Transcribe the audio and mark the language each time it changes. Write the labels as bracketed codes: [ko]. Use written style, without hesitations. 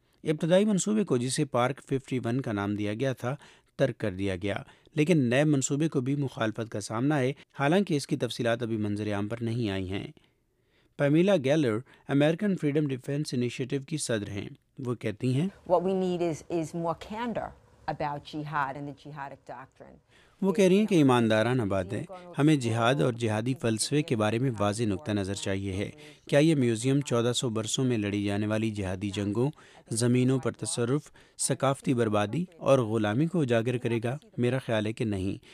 [ur] ابتدائی منصوبے کو, جسے پارک 51 کا نام دیا گیا تھا, ترک کر دیا گیا, لیکن نئے منصوبے کو بھی مخالفت کا سامنا ہے, حالانکہ اس کی تفصیلات ابھی منظر عام پر نہیں آئی ہیں. پیمیلا گیلر امریکن فریڈم ڈیفینس انیشیٹو کی صدر ہیں. وہ کہتی ہیں, [en] What we need is more candor about jihad and the jihadic doctrine. [ur] وہ کہہ رہی ہیں کہ ایماندارانہ بات ہے, ہمیں جہاد اور جہادی فلسفے کے بارے میں واضح نقطہ نظر چاہیے ہے. کیا یہ میوزیم 1400 برسوں میں لڑی جانے والی جہادی جنگوں, زمینوں پر تصرف, ثقافتی بربادی اور غلامی کو اجاگر کرے گا؟ میرا خیال ہے کہ نہیں.